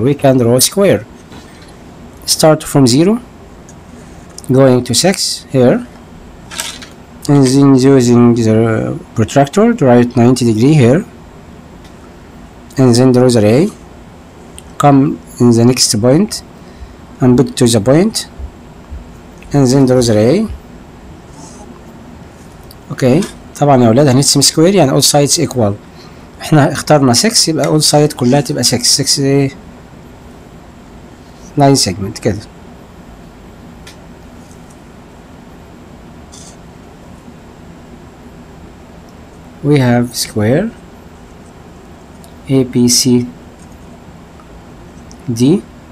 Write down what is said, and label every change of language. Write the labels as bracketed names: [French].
[English] We can draw a square. Start from 0, going to 6 here, and then using the protractor to write 90 degree here, and then draw the ray. Come in the next point and put to the point, and then draw the ray. [Arabic] Okay, طبعا يا اولاد هنرسم سكوير يعني [English] all sides equal. [Arabic] احنا اخترنا 6 يبقى [English] all sides [Arabic] كلها تبقى 6. [English] 6 line segment كده. We have square ABCD.